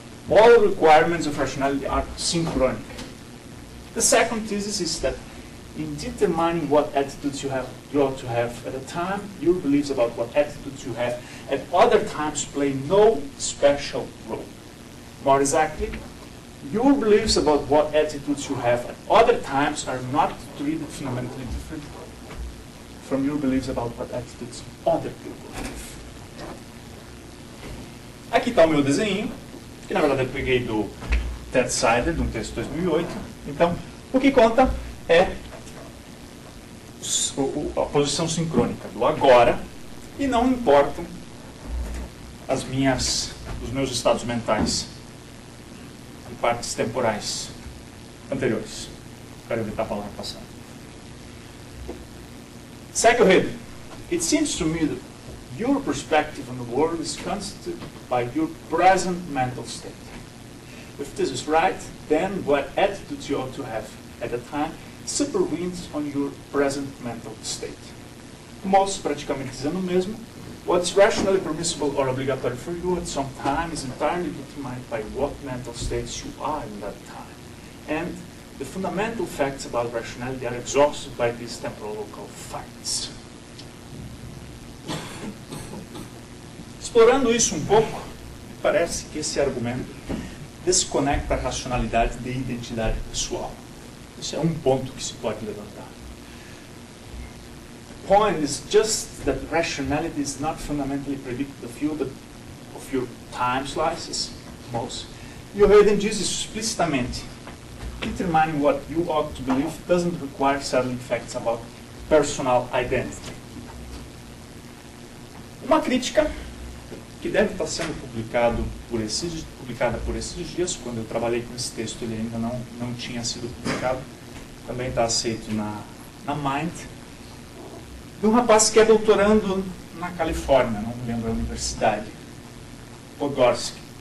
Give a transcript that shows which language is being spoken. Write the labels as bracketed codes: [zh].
[en] All requirements of rationality are synchronic. The second thesis is that in determining what attitudes you ought to have at a time, your beliefs about what attitudes you have at other times play no special role. More exactly, your beliefs about what attitudes you have at other times are not treated fundamentally different from your beliefs about what attitudes other people have. [pt] Aqui está o meu desenho, que na verdade eu peguei do Ted Sider, de um texto de 2008. Então, o que conta é a posição sincrônica do agora, e não importam os meus estados mentais e partes temporais anteriores. Quero evitar a palavra passada. Segue o Hayden. [en] It seems to me that your perspective on the world is constituted by your present mental state. If this is right, then what attitudes you ought to have at a time supervenes on your present mental state. Moss [pt] praticamente dizendo o mesmo. [en] What's rationally permissible or obligatory for you at some time is entirely determined by what mental states you are in that time. And the fundamental facts about rationality are exhausted by these temporal local facts. [pt] Explorando isso pouco, parece que esse argumento desconecta a racionalidade da identidade pessoal. Isso é ponto que se pode levantar. [en] Point is just that rationality is not fundamentally predictive of you, but of your time slices, most. [pt] E o Hayden diz isso explicitamente. [en] Determining what you ought to believe doesn't require settling facts about personal identity. [pt] Uma crítica que deve estar sendo publicada por esses dias, quando eu trabalhei com esse texto, ele ainda não tinha sido publicado, também está aceito na Mind, de um rapaz que é doutorando na Califórnia, não me lembro a universidade, Podgorski.